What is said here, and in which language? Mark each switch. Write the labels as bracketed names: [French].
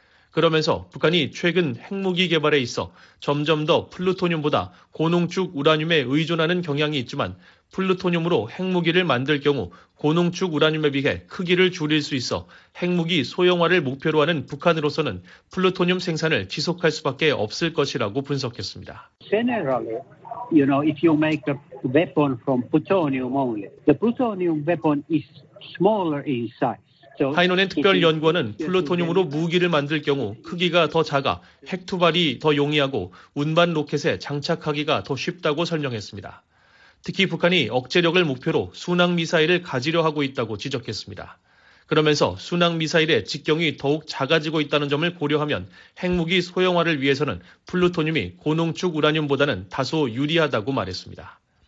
[Korean] 그러면서 북한이 최근 핵무기 개발에 있어 점점 더 플루토늄보다 고농축 우라늄에 의존하는 경향이 있지만 플루토늄으로 핵무기를 만들 경우 고농축 우라늄에 비해 크기를 줄일 수 있어 핵무기 소형화를 목표로 하는 북한으로서는 플루토늄 생산을 지속할 수밖에 없을 것이라고 분석했습니다. [English] Generally, you know, if you make a weapon from plutonium only, the plutonium weapon is smaller in size. [Korean] 하이노넨 특별연구원은 플루토늄으로 무기를 만들 경우 크기가 더 작아 핵투발이 더 용이하고 운반 로켓에 장착하기가 더 쉽다고 설명했습니다. 특히 북한이 억제력을 목표로 순항미사일을 가지려 하고 있다고 지적했습니다. 그러면서 순항미사일의 직경이 더욱 작아지고 있다는 점을 고려하면 핵무기 소형화를 위해서는 플루토늄이 고농축 우라늄보다는 다소 유리하다고 말했습니다.